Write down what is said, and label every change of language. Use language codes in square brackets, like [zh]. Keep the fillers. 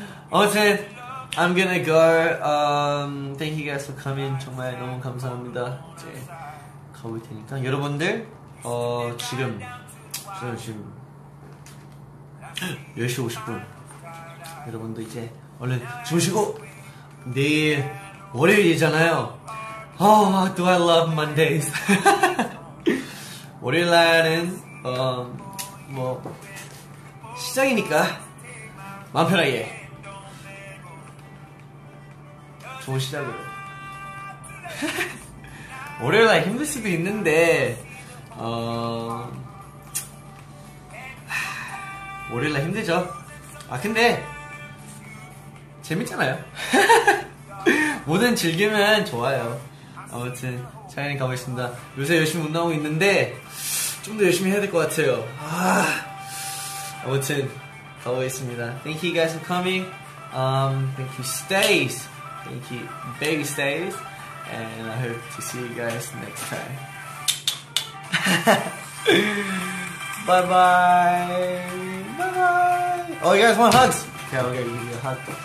[ko] 아무튼 [en] I'm gonna go. Um, thank you guys for coming. [ko] 정말 너무 감사합니다. 이제 가볼 테니까 여러분들 어 지금 저는 지금 10시 50분. 여러분도 이제 얼른 주무시고 내일 월요일이잖아요. [en] Oh, do I love Mondays? [ko] 월요일 날은 어뭐 시작이니까 마음 편하게 좋은 시작으로. 월요일 날 힘들 수도 있는데, 어, 하, 월요일 날 힘들죠. 아, 근데, 재밌잖아요. 뭐든 즐기면 좋아요. 아무튼, 차이는 가보겠습니다. 요새 열심히 못 나오고 있는데, 좀 더 열심히 해야 될 것 같아요. 아, 아무튼 가보겠습니다. [en] Thank you guys for coming. Um, thank you stays. Thank you baby stays. And I hope to see you guys next time. bye bye. Bye bye. Oh, you guys want hugs? Okay, I'll go give you a hug.